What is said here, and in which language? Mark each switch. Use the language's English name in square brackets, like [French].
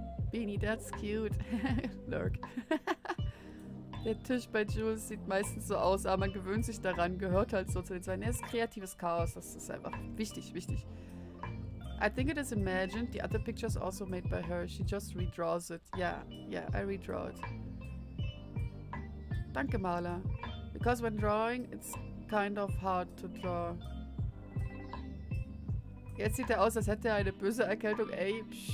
[English] Beanie, that's cute. [German] Lurk. Der Tisch bei Jules sieht meistens so aus, aber man gewöhnt sich daran, gehört halt so zu den Zweien. Er ist kreatives Chaos, das ist einfach wichtig, wichtig. [English] I think it is imagined, the other picture is also made by her, she just redraws it. Yeah, I redraw it. [German] Danke, Maler. [English] Because when drawing, it's kind of hard to draw. [German] Jetzt sieht er aus, als hätte er eine böse Erkältung, ey.